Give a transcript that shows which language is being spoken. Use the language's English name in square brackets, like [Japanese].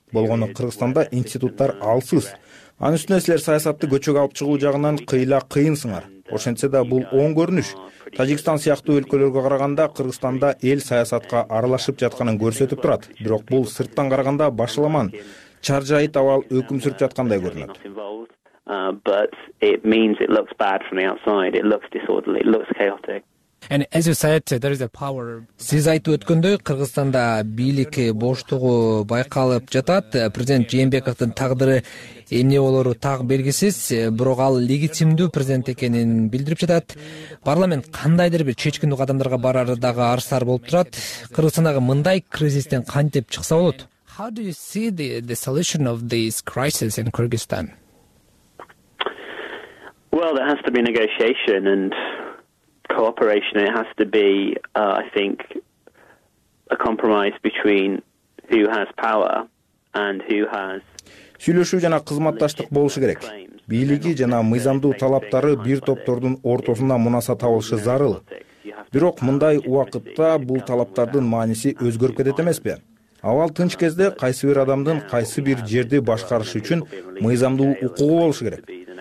[Kyrgyz] Болгону Кыргызстанда институттар алсыз. Анын үстүнө силер саясатты көчөгө алып чыгуу жагынан кыйла кыйынсыңар. Ошентсе да бул оң көрүнүш. Тажикстан сыяктуу өлкөлөргө караганда Кыргызстанда эл саясатка аралашып жатканын көрсөтүп турат. Бирок бул сырттан караганда башаламан чаржайыт абал өкүм сүрүп жаткандай көрүнөт. [English] But it means it looks bad from the outside. It looks disorderly. It looks chaotic. And as you said, there is a power. [Kyrgyz] Сиз айтып өткөндөй, Кыргызстанда бийлик боштугу байкалып жатат. Президент Жээнбековдун тагдыры эмне болору так белгисиз, бирок ал легитимдүү президент экенин билдирип жатат. Парламент кандайдыр бир чечкиндүү кадамдарга барар дагы арсар болуп турат. Кыргызстандагы мындай кризистен кантип чыкса болот? [English] How do you see the solution of this crisis in Kyrgyzstan? Well, there has to be negotiation and cooperation. It has to be, I think, a compromise between who has power and who has... [Kyrgyz] Сүйлөшүү жана кызматташтык болушу керек. Бийлиги жана мыйзамдуу талаптары бир топтордун ортосунда мунасат алышы зарыл. Бирок мындай убакытта бул талаптардын мааниси өзгөрүп кетет эмеспи? Абал тынч кезде кайсы бир адамдын кайсы бир жерди башкарышы үчүн мыйзамдуу укугу болушу керек.